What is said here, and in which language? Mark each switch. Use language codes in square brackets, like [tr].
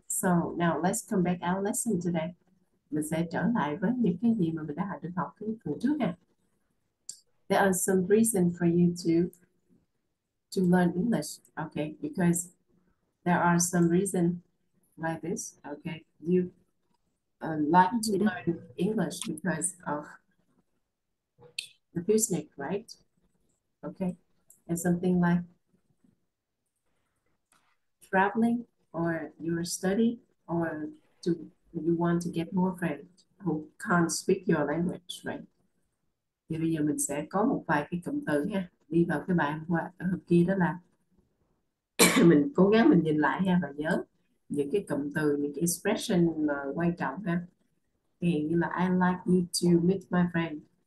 [en] So now let's come back our lesson today. [vi] Mình sẽ trở lại với những cái gì mà mình đã được học cái phần trước nha. [en] There are some reasons for you to learn English. Because there are some reasons like this. You like to learn English because of the business, right? And something like traveling or your study or you want to get more friends who can't speak your language, right? [vi] Thì bây giờ mình sẽ có một vài cái cụm từ ha, đi vào cái bài hôm kia đó là mình cố gắng mình nhìn lại ha và nhớ những cái cụm từ, những cái expression mà quan trọng ha. Thì như là [en] I like you to meet my friend.